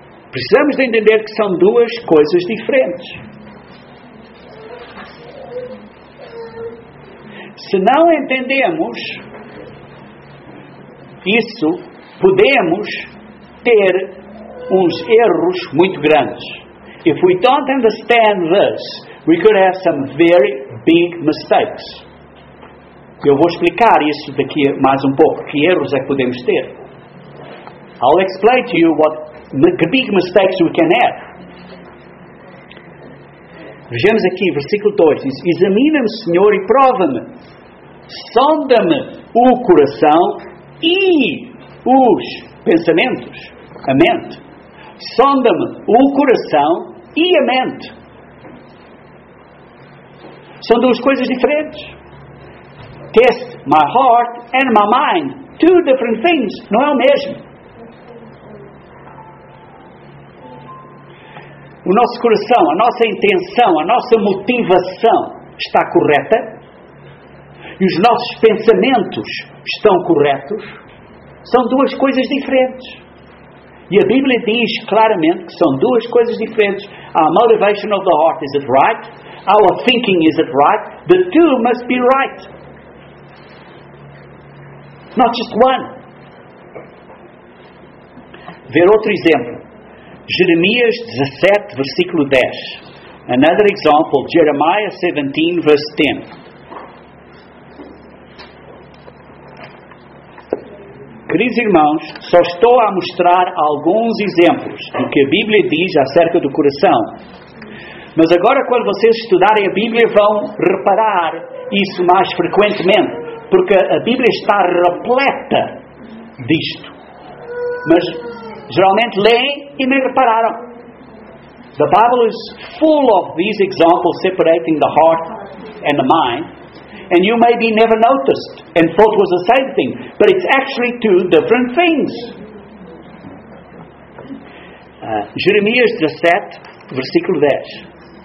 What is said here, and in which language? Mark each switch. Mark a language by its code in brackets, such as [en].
[pt] Precisamos de entender que são duas coisas diferentes. Se não entendemos isso, podemos ter uns erros muito grandes. [en] If we don't understand this, we could have some very big mistakes. [pt] Eu vou explicar isso daqui mais um pouco. Que erros é que podemos ter? [en] I'll explain to you what big mistakes we can have. [pt] Vejamos aqui, versículo 2. Diz, examina-me, Senhor, e prova-me. Sonda-me o coração e os pensamentos, a mente. Sonda-me o coração e a mente. São duas coisas diferentes. [en] Test my heart and my mind. Two different things. [pt] Não é o mesmo. O nosso coração, a nossa intenção, a nossa motivação está correta? E os nossos pensamentos estão corretos? São duas coisas diferentes. E a Bíblia diz claramente que são duas coisas diferentes. [en] Our motivation of the heart, is it right? Our thinking, is it right? The two must be right. Not just one. [pt] Ver outro exemplo. Jeremias 17, versículo 10. [en] Another example, Jeremiah 17, verse 10. [pt] Queridos irmãos, só estou a mostrar alguns exemplos do que a Bíblia diz acerca do coração. Mas agora, quando vocês estudarem a Bíblia, vão reparar isso mais frequentemente, porque a Bíblia está repleta disto. Mas geralmente leem e nem repararam. [en] The Bible is full of these examples separating the heart and the mind. And you maybe never noticed and thought it was the same thing. But it's actually two different things. [pt] Jeremias 17, versículo 10.